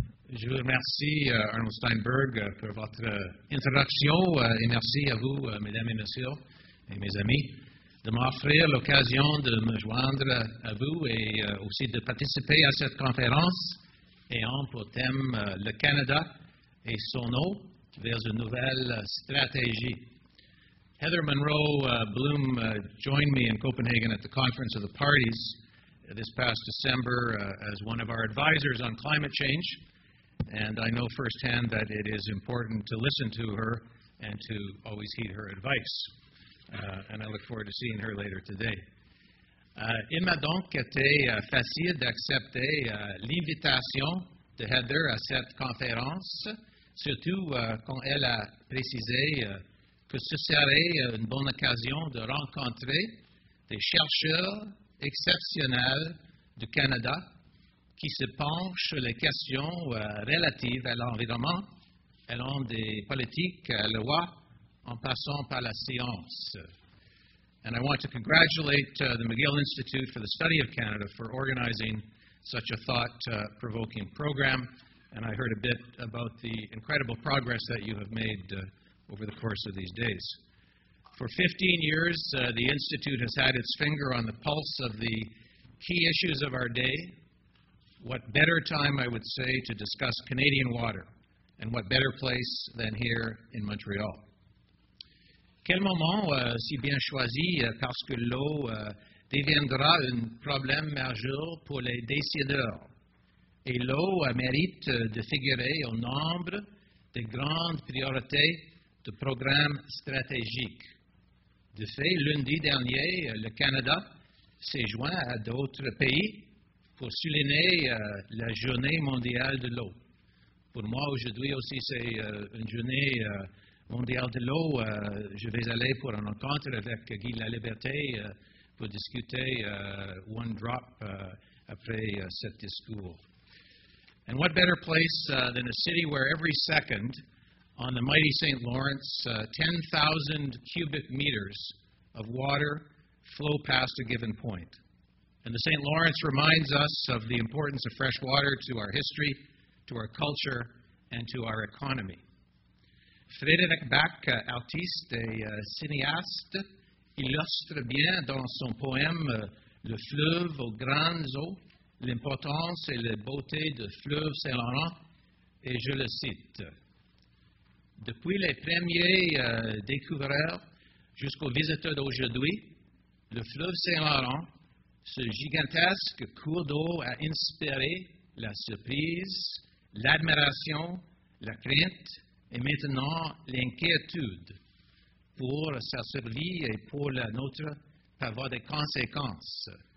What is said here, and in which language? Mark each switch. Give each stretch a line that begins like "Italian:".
French: Je vous remercie, Arnold Steinberg, pour votre introduction et merci à vous, mesdames et messieurs et mes amis, de m'offrir l'occasion de me joindre à vous et aussi de participer à cette conférence ayant pour thème le Canada et son eau vers une nouvelle stratégie.
English: Heather Monroe Bloom joined me in Copenhagen at the Conference of the Parties this past December as one of our advisors on climate change. And I know firsthand that it is important to listen to her and to always heed her advice. And I look forward to seeing her later today.
French: Il m'a donc été facile d'accepter l'invitation de Heather à cette conférence, surtout quand elle a précisé que ce serait une bonne occasion de rencontrer des chercheurs exceptionnels du Canada qui se penche sur les questions relatives à l'environnement, allant des politiques, à la loi, en passant par la science.
English: And I want to congratulate the McGill Institute for the Study of Canada for organizing such a thought-provoking program. And I heard a bit about the incredible progress that you have made over the course of these days. For 15 years, the Institute has had its finger on the pulse of the key issues of our day. What better time, I would say, to discuss Canadian water, and what better place than here in Montreal.
French: Quel moment si bien choisi parce que l'eau deviendra un problème majeur pour les décideurs. Et l'eau mérite de figurer au nombre des grandes priorités de programmes stratégiques. De fait, lundi dernier, le Canada s'est joint à d'autres pays pour souligner la journée mondiale de l'eau. Pour moi, aujourd'hui aussi, c'est une journée mondial de l'eau, je vais aller pour une rencontre avec Guy Laliberté pour discuter One Drop après cet discours.
English: And what better place than a city where every second on the mighty St. Lawrence, 10,000 cubic meters of water flow past a given point. And the St. Lawrence reminds us of the importance of fresh water to our history, to our culture, and to our economy.
French: Frédéric Bach, artiste et cinéaste, illustre bien dans son poème Le fleuve aux grandes eaux, l'importance et la beauté du fleuve Saint-Laurent, et je le cite. Depuis les premiers découvreurs jusqu'aux visiteurs d'aujourd'hui, le fleuve Saint-Laurent, ce gigantesque cours d'eau a inspiré la surprise, l'admiration, la crainte et maintenant l'inquiétude pour sa survie et pour la nôtre peut avoir des conséquences.